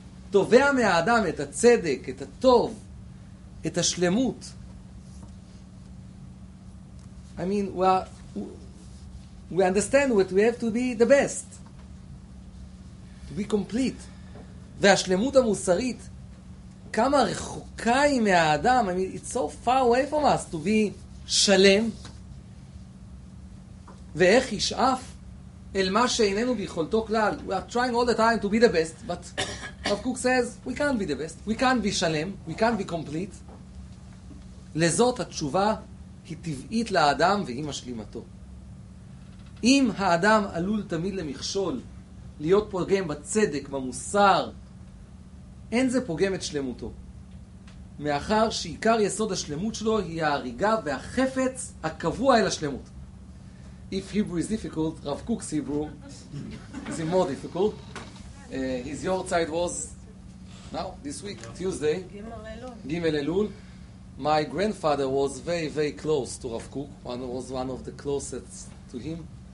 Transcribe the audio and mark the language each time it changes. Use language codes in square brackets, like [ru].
[he] תובע מהאדם את הצדק, את הטוב, את השלמות. [en] I mean, we understand what we have to be the best. To be complete. [he] והשלמות המוסרית, כמה רחוקה היא מהאדם. [en] I mean, it's so far away from us to be שלם. [he] ואיך ישאף אל מה שאיננו ביכולתו כלל. [en] We are trying all the time to be the best, but... Rav Kook says, we can't be the best. We can't be shalem. We can't be complete. [he] לזאת התשובה היא טבעית לאדם והיא משלימתו. אם האדם עלול תמיד למכשול להיות פוגם בצדק, במוסר, אין זה פוגם את שלמותו. מאחר שעיקר יסוד השלמות שלו היא ההריגה והחפץ הקבוע אל השלמות. [en] If Hebrew is difficult, Rav Cook's Hebrew is more difficult. His your side was now, this week, Tuesday. [he] Gimel Elul. [en] My grandfather was very, very close to Rav Cook. One was one of the closest to him.